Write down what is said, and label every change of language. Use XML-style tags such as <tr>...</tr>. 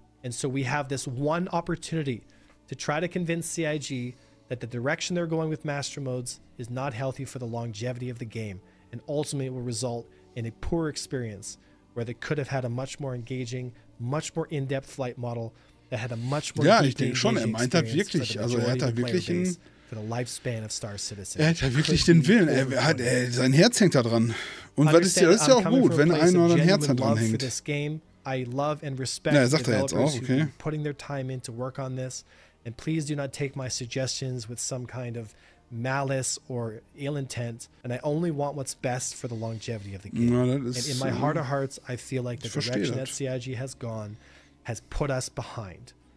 <en>And so we have this one opportunity to try to convince CIG that the direction they're going with Master Modes is not healthy for the longevity of the game and ultimately will result in a poor experience where they could have had a much more engaging, much more in-depth flight model that had a much more engaging experience.</en> <de>Ja, ich denke schon, er meint das wirklich. Also er hat da wirklich einen...</de> <en>For the lifespan of Star Citizen.</en> <de>Er hat ja wirklich den Willen. Sein Herz hängt da dran. Und das ist ja auch gut, wenn einer oder ein Herz da dran hängt.</de> <en>I love and respect</en> <de>ja, sagt developers er jetzt auch, okay.</de> <en>Who are putting their time in to work on this. And please do not take my suggestions with some kind of malice or ill intent. And I only want what's best for the longevity of the game.</en> <de>Ja,</de> <en>and in my heart of hearts, I feel like the direction that CIG has gone has put us behind.</en>